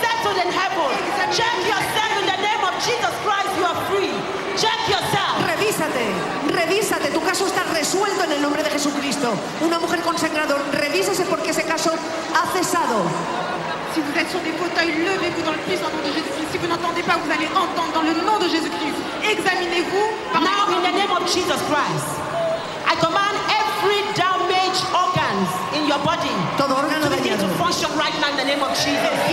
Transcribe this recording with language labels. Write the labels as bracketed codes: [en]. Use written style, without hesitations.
[en] Check yourself in the name of Jesus Christ, you are free. Check yourself. [es] Revísate, revísate. Tu caso está resuelto en el nombre de Jesucristo. Una mujer consagrada, revísese porque ese caso ha cesado. [fr] Si vous êtes sur des fauteuils, levez-vous dans le puissant nom de Jésus-Christ. Si vous n'entendez pas, vous allez entendre dans le nom de Jésus-Christ. Examinez-vous. [en] Now in the name of Jesus Christ, I command every damaged organ in your body to begin to function right now in the name of Jesus.